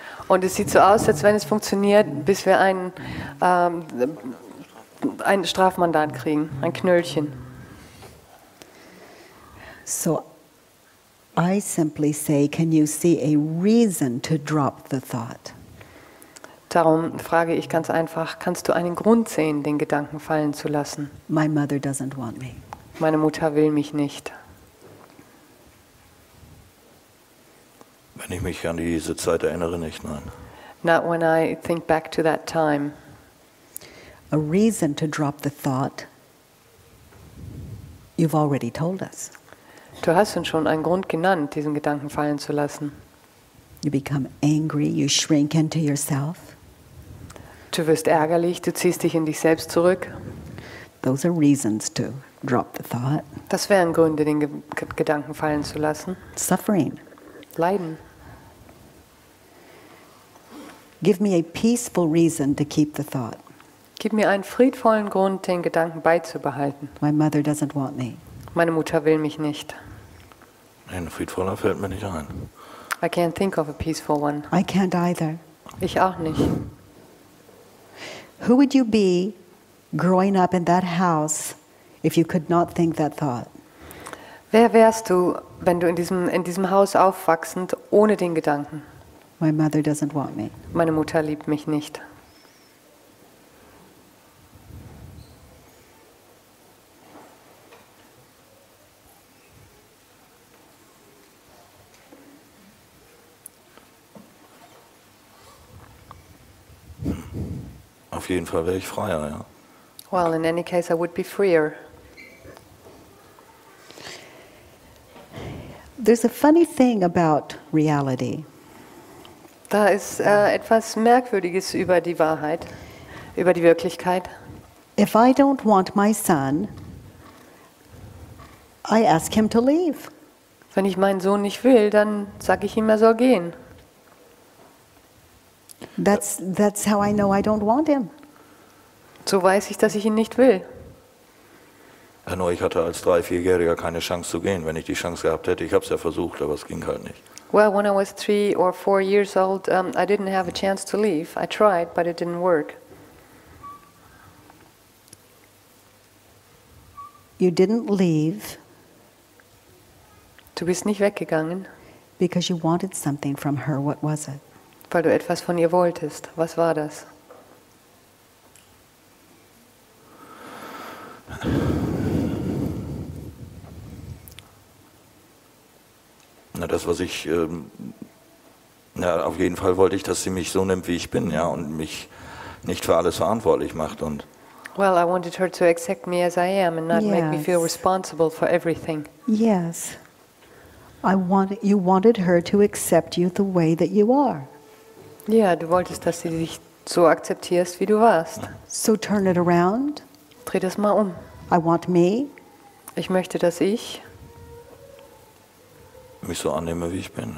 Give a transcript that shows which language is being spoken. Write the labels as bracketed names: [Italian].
[German] Und es sieht so aus, als wenn es funktioniert, bis wir ein Strafmandat kriegen, ein Knöllchen. [English] So I simply say, can you see a reason to drop the thought? [German] Darum frage ich ganz einfach, kannst du einen Grund sehen, den Gedanken fallen zu lassen? [English] My mother doesn't want me. [German] Meine Mutter will mich nicht. Wenn ich mich an diese Zeit erinnere, nicht, nein. [English] Not when I think back to that time. A reason to drop the thought, you've already told us. [German] Du hast uns schon einen Grund genannt, diesen Gedanken fallen zu lassen. [English] You become angry, you shrink into yourself. [German] Du wirst ärgerlich, du ziehst dich in dich selbst zurück. [English] Those are reasons to drop the thought. [German] Das wären Gründe, den Gedanken fallen zu lassen. [English] Suffering. [German] Leiden. [English] Give me a peaceful reason to keep the thought. [German] Gib mir einen friedvollen Grund, den Gedanken beizubehalten. [English] My mother doesn't want me. [German] Meine Mutter will mich nicht. Ein friedvoller fällt mir nicht ein. [English] I can't think of a peaceful one. I can't either. [German] Ich auch nicht. [English] Who would you be growing up in that house if you could not think that thought? [German] Wer wärst du, wenn du in diesem Haus aufwachsend ohne den Gedanken? [English] My mother doesn't want me. [German] Meine Mutter liebt mich nicht. Auf jeden Fall wäre ich freier, ja. [English] Well, in any case, I would be freer. There's a funny thing about reality. [German] Da ist etwas Merkwürdiges über die Wahrheit, über die Wirklichkeit. [English] If I don't want my son, I ask him to leave. [German] Wenn ich meinen Sohn nicht will, dann sage ich ihm, er soll gehen. [English] That's how I know I don't want him. [German] So weiß ich, dass ich ihn nicht will. Ja, nur ich hatte als 3-4-Jähriger keine Chance zu gehen. Wenn ich die Chance gehabt hätte, ich habe es ja versucht, aber es ging halt nicht. [English] Well, when I was 3 or 4 years old, I didn't have a chance to leave. I tried, but it didn't work. You didn't leave. Du bist nicht weggegangen. Because you wanted something from her. What was it? [German] Weil du etwas von ihr wolltest. Was war das? Na, das, was ich, auf jeden Fall wollte ich, dass sie mich so nimmt, wie ich bin, ja, und mich nicht für alles verantwortlich macht und. [English] Well, I wanted her to accept me as I am and not yes. Make me feel responsible for everything. Yes, you wanted her to accept you the way that you are. [German] Ja, du wolltest, dass sie dich so akzeptierst, wie du warst. [English] So turn it around. [German] Dreh das mal um. [English] I want me. [German] Ich möchte, dass ich mich so annehme, wie ich bin.